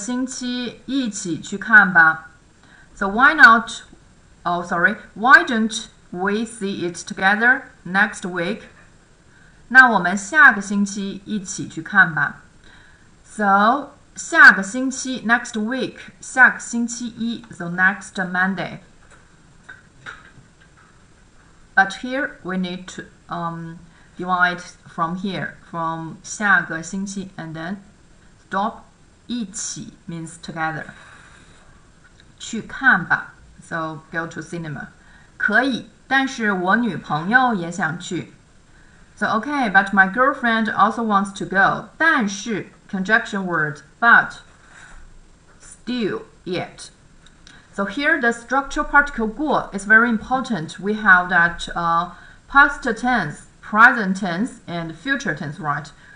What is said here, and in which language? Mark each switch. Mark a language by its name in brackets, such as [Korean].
[Chinese] 那我们下个星期一起去看吧. [English] So why not? Oh, sorry. Why don't we see it together next week? [Chinese] 那我们下个星期一起去看吧. [English] So [Chinese] 下个星期, [English] next week, [Chinese] 下个星期一, [English] so next Monday. But here, we need to divide from here, from [Chinese] 下个星期, [English] and then stop, [Chinese] 一起 [English] means together. [Chinese] 去看吧, [English] so go to cinema. [Chinese] 可以, 但是我女朋友也想去. [English] So okay, but my girlfriend also wants to go. [Chinese] 但是, [English] conjunction word, but, still, yet. So here the structural particle 过 is very important. We have that past tense, present tense, and future tense, right?